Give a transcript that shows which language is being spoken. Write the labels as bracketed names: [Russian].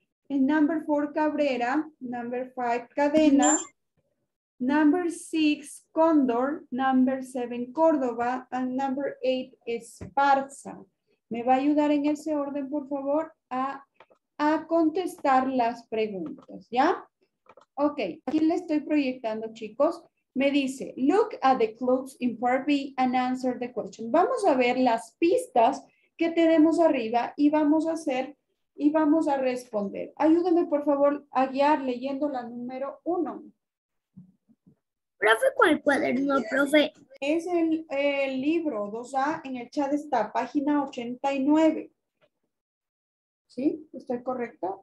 [English] And number four, Cabrera. Number five, Cadena. Number six, Cóndor. Number seven, Córdoba. And number eight, Esparza. [Spanish] Me va a ayudar en ese orden, por favor, a contestar las preguntas, ¿ya? Ok, aquí le estoy proyectando, chicos. Me dice, [English] look at the clues in part B and answer the question. [Spanish] Vamos a ver las pistas que tenemos arriba y vamos a responder. Ayúdame, por favor, a guiar leyendo la número uno. Profe, ¿cuál cuaderno, profe? Es el libro 2A, en el chat está, página 89. ¿Sí? ¿Estoy correcto?